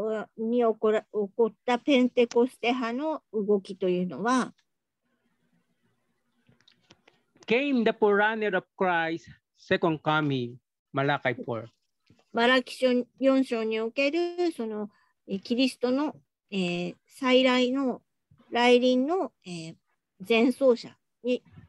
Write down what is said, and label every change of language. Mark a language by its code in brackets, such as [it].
[ja] 1906年に起こったペンテコステ派の動きというのは、 [en] came the forerunner of Christ, second coming, Malachi 4. [ja] マラキ書4章におけるそのキリストの、再来の来臨の、前奏者に。